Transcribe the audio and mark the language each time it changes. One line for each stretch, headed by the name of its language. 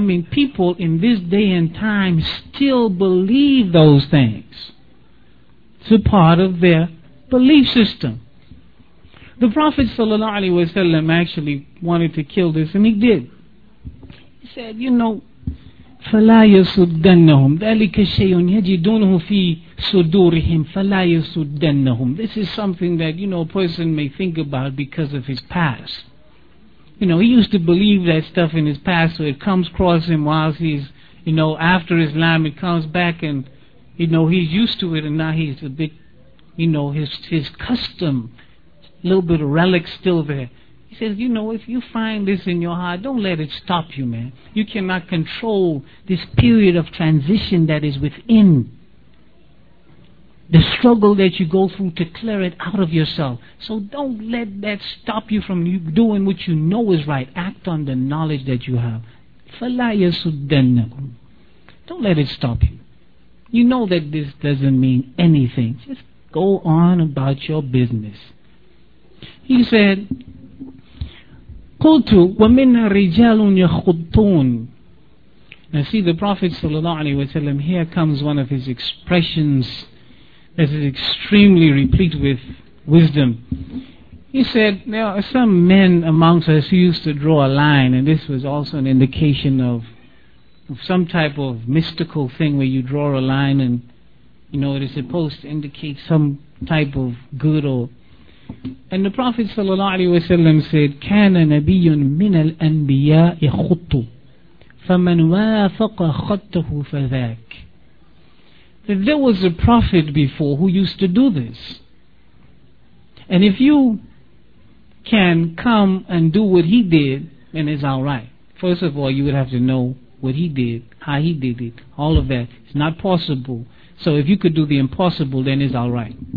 English: People in this day and time still believe those things. It's a part of their belief system. The Prophet sallallahu alaihi wasallam actually wanted to kill this, and he did. Said, you know,
Arabic: فَلَا يَسُدَّنَّهُمْ ذَلِكَ شَيْءٌ يَجِدُونَهُ فِي صُدُورِهِمْ فَلَا يَسُدَّنَّهُمْ.
English: This is something that, you know, a person may think about because of his past. You know, he used to believe that stuff in his past, so it comes across him whilst he's, you know, after Islam, it comes back and, you know, he's used to it, and now he's a bit, you know, his custom, a little bit of relic still there. He says, you know, if you find this in your heart, don't let it stop you, man. You cannot control this period of transition that is within. The struggle that you go through to clear it out of yourself. So don't let that stop you from you doing what you know is right. Act on the knowledge that you have.
Arabic: فَلَا يَسُدَّنَّكُمْ.
English: Don't let it stop you. You know that this doesn't mean anything. Just go on about your business. He said,
Arabic: قلت ومن رجال يخطون.
English: Now see, the Prophet sallallahu alaihi wasallam, here comes one of his expressions that is extremely replete with wisdom. He said, there are some men amongst us who used to draw a line, and this was also an indication of some type of mystical thing where you draw a line and, you know, it is supposed to indicate some type of good. Or and the Prophet sallallahu alaihi wasallam said,
Arabic: كَانَ نَبِيٌ مِنَ الْأَنْبِيَاءِ خُطُّ فَمَنْ وَافَقَ خَطَّهُ فَذَاكَ.
English: There was a Prophet before who used to do this. And if you can come and do what he did, then it's alright. First of all, you would have to know what he did, how he did it, all of that. It's not possible. So if you could do the impossible, then it's alright.